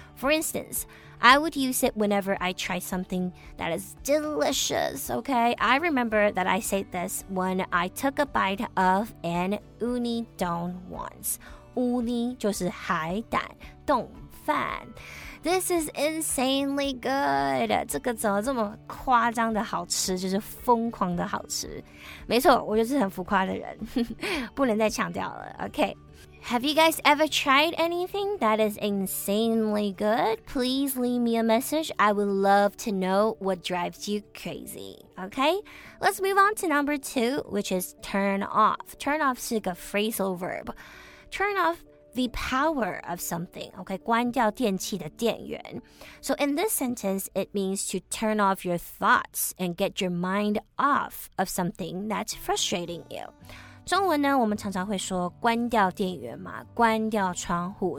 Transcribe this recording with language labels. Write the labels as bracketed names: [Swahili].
[English] For instance, I would use it whenever I try something that is delicious, okay? I remember that I said this when I took a bite of an uni don once. Uni [Chinese] 就是海胆， [English] don [Chinese] 饭。 [English] This is insanely good. [Chinese] 这个怎么这么夸张的好吃，就是疯狂的好吃。没错，我就是很浮夸的人，不能再强调了。 [English] OK, have you guys ever tried anything that is insanely good? Please leave me a message. I would love to know what drives you crazy. OK, let's move on to number two, which is turn off. Turn off [Chinese] 是个 [English] phrasal verb. Turn offThe power of something, okay, [Chinese] 关掉电器的电源. [English] So in this sentence, it means to turn off your thoughts and get your mind off of something that's frustrating you. [Chinese] 中文呢，我们常常会说关掉电源嘛，关掉窗户。